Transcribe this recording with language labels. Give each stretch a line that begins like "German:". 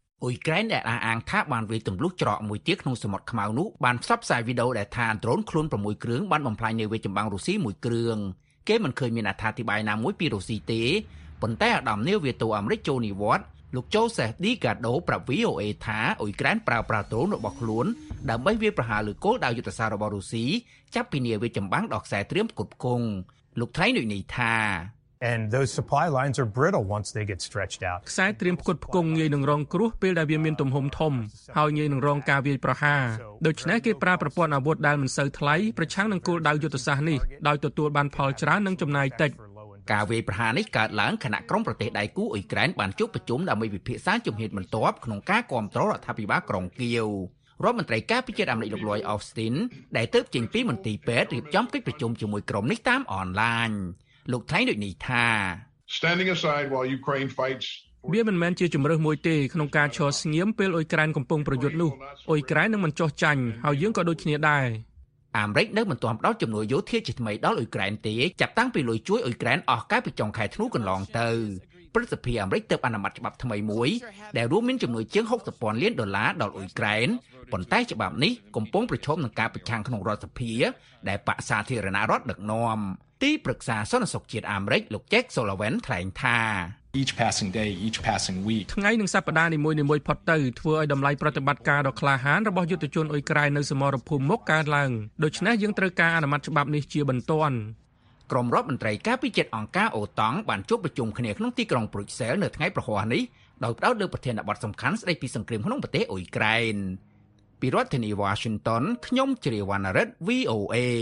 Khmer: អ៊ុយក្រែនដែលអះអាងថាបានវាយទម្លុះច្រកមួយទៀតក្នុងសមុទ្រខ្មៅនោះបានផ្សព្វផ្សាយវីដេអូដែលថាដ្រូនខ្លួន6គ្រឿងបានបំផ្លាញនាវាចម្បាំងរុស្ស៊ីមួយគ្រឿងគេមិនឃើញមានអត្ថាធិប្បាយណាមួយពីរុស្ស៊ីទេប៉ុន្តែអធិរាជនាវាទូអាមេរិកចូនីវ៉ាត់លោកចូសេះឌីកាដូប្រាប់ VOA ថាអ៊ុយក្រែនប្រើប្រាស់ដ្រូនរបស់ខ្លួនដើម្បីវាយប្រហារលើគោលដៅយុទ្ធសាស្ត្ររបស់រុស្ស៊ីចាប់ពីនាវាចម្បាំងដល់ខ្សែត្រៀមគ្រប់គង់លោកថ្លែងដូចនេះថា
English: And those supply lines are brittle once they get stretched out.
Khmer: ខ្សែត្រៀមផ្គត់ផ្គង់ងាយនឹងរងគ្រោះពេលដែលវាមានទំហំធំហើយងាយនឹងរងការវាយប្រហារដូច្នេះគេប្រើប្រព័ន្ធអាវុធដែលមិនសូវថ្លៃប្រឆាំងនឹងគោលដៅយុទ្ធសាស្ត្រនេះដោយទទួលបានផលច្រើននិងចំណាយតិច ការវាយប្រហារនេះកើតឡើងខណៈក្រុមប្រទេសដៃគូអ៊ុយក្រែនបានជួបប្រជុំដើម្បីពិភាក្សាជំហានបន្ទាប់ក្នុងការគ្រប់គ្រងរដ្ឋាភិបាលក្រុងគៀវរដ្ឋមន្ត្រីការពារជាតិអាមេរិកលោក Lloyd Austin ដែលទៅជិញពីមន្ទីរពេទ្យរៀបចំកិច្ចប្រជុំជាមួយក្រុមនេះតាមអនឡាញលោកថៃដូចនេះថា
English: Standing aside while Ukraine fights
Khmer: វាមិនមែនជាជំរើសមួយទេក្នុងការឈរស្ងៀមពេលអ៊ុយក្រែនកំពុងប្រយុទ្ធនោះអ៊ុយក្រែននឹងមិនចោះចាញ់ហើយយើងក៏ដូចគ្នាដែរ អាមេរិកនៅមិនទាន់ផ្ដល់ចំនួនយោធាជាថ្មីដល់អ៊ុយក្រែនទេចាប់តាំងពីលុយជួយអ៊ុយក្រែនអស់កាលពីចុងខែធ្នូកន្លងទៅព្រឹទ្ធសភាអាមេរិកទើបអនុម័តច្បាប់ថ្មីមួយដែលរួមមានចំនួនជាង $60,000,000ដល់អ៊ុយក្រែនប៉ុន្តែច្បាប់នេះកំពុងប្រឈមនឹងការប្រឆាំងក្នុងរដ្ឋសភាដែលបកសាធារណរដ្ឋដឹកនាំទីប្រឹក្សាសន្តិសុខជាតិអាមេរិកលោក Jack Sullivan ថ្លែងថា
English: Each passing day, each passing week
Khmer: ថ្ងៃនឹងសប្តាហ៍នីមួយៗផុតទៅធ្វើឲ្យតម្លៃប្រតិបត្តិការដ៏ក្លាហានរបស់យុទ្ធជនអ៊ុយក្រែននៅសមរភូមិមុខកើតឡើងដូច្នេះយើងត្រូវការអនុម័តច្បាប់នេះជាបន្ទាន់ក្រុមរដ្ឋមន្ត្រីការពារជាតិអង្គការអូតង់បានជួបប្រជុំគ្នាក្នុងទីក្រុងប្រ៊ុចសែលនៅថ្ងៃប្រហ័សនេះដោយផ្តោតលើប្រធានបទសំខាន់ស្តីពីសង្គ្រាមក្នុងប្រទេសអ៊ុយក្រែនពីរដ្ឋធានី Washington ខ្ញុំជ្រាវណ្ណរិទ្ធ VOA